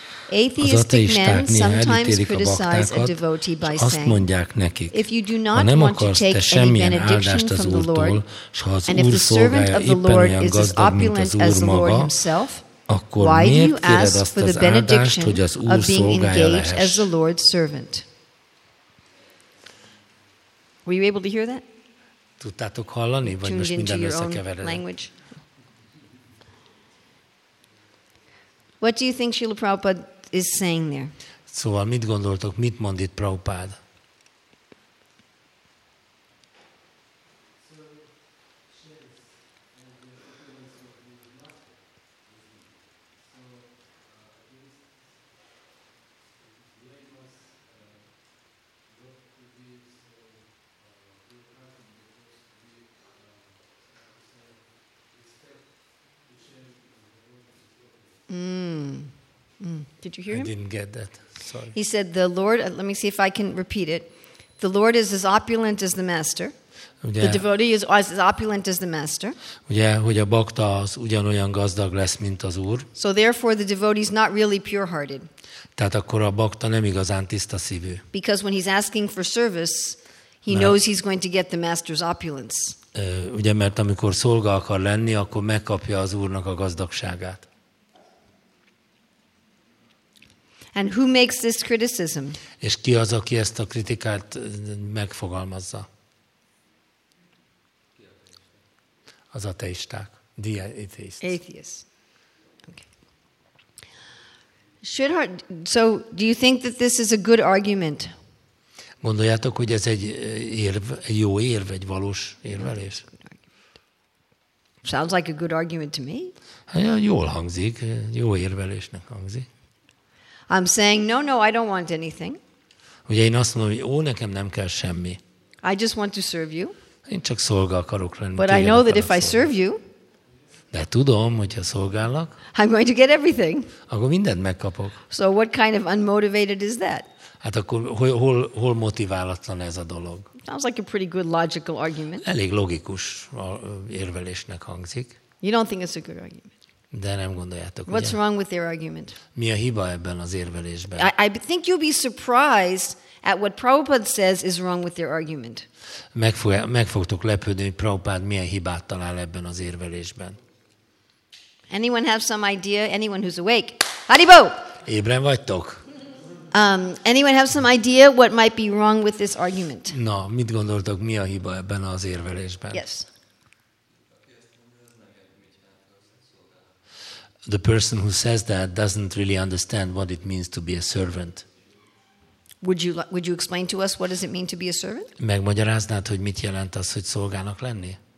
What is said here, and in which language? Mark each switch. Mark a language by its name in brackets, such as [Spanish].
[English] Atheistic men sometimes criticize a devotee by saying, if you do not want to take any benediction from the Lord, and if the servant of the Lord is as opulent as the Lord himself, why do you ask for the benediction of being engaged as the Lord's servant? Were you able to hear that? [Hungarian] Tudtátok hallani, vagy most minden összekeveredett? [English] What do you think Srila Prabhupada is saying there? [Hungarian] Szóval mit gondoltok, mit mond itt Prabhupada? [English] Did you hear him? I didn't get that. Sorry. He said, "The Lord." Let me see if I can repeat it. The Lord is as opulent as the master. [Hungarian] Ugye, [English] the devotee is as opulent as the master. [Hungarian] Yeah, hogy a bakta az ugyanolyan gazdag lesz, mint az úr. [English] So therefore, the devotee is not really pure-hearted. [Hungarian] Tehát akkor a bakta nem igazán tiszta szívű. [English] Because when he's asking for service, he knows he's going to get the master's opulence. [Hungarian] Ugye, mert amikor szolga akar lenni, akkor megkapja az úrnak a gazdagságát. [English] And who makes this criticism? [Hungarian] És ki az, aki ezt a kritikát megfogalmazza? Az ateisták. [English] The atheists. Atheists. Okay. Sridhar, so do you think that this is a good argument? [Hungarian] Gondoljátok, hogy ez egy érv, jó érv, egy valós érvelés? [English] Sounds like a good argument to me. [Hungarian] Hát, jól hangzik, jó érvelésnek hangzik. [English] I'm saying no, I don't want anything. [Hungarian] Ugye én azt mondom, hogy ó, nekem nem kell semmi. [English] I just want to serve you. [Hungarian] Én csak szolga akarok lenni. [English] But I know that if I serve you, [Hungarian] de tudom, hogyha szolgálok, [English] I'm going to get everything. [Hungarian] Akkor mindent megkapok. [English] So what kind of unmotivated is that? [Hungarian] Hát akkor hol motiválatlan ez a dolog? [English] Sounds like a pretty good logical argument. [Hungarian] Elég logikus érvelésnek hangzik. [English] You don't think it's a good argument. [Hungarian] De nem gondoljátok, [English] what's [Hungarian] ugye? [English] Wrong with their argument? [Hungarian] Mi a hiba ebben az érvelésben? [English] I think you'll be surprised at what Prabhupada says is wrong with their argument. [Hungarian] Meg fogtok lepődni, hogy Prabhupada milyen hibát talál ebben az érvelésben. [English] Anyone have some idea? Anyone who's awake? Haribo! [Hungarian] Ébren vagytok? [English] Anyone have some idea what might be wrong with this argument? [Hungarian] Na, mit gondoltok, mi a hiba ebben az érvelésben? [English] Yes. The person who says that doesn't really understand what it means to be a servant. Would you explain to us what does it mean to be a servant? [Hungarian] Megmagyaráznád, hogy mit jelent az, hogy szolgának lenni?